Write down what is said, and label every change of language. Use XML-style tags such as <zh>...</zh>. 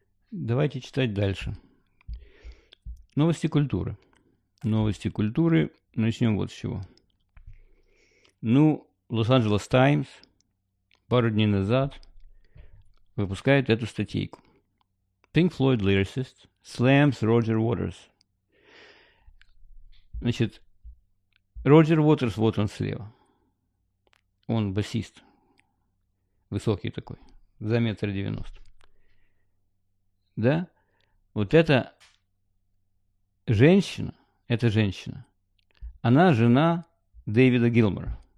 <ru>Давайте читать дальше. Новости культуры. Новости культуры. Начнем вот с чего. Ну, Лос-Анджелес Таймс пару дней назад выпускает эту статейку.</ru> <en>Pink Floyd lyricist slams Roger Waters.</en> <ru>Значит, Роджер Уотерс, вот он слева. Он басист. Высокий такой. За 1.90 м. Да? Вот это... Женщина, это женщина, она жена Дэвида Гилмора.</ru>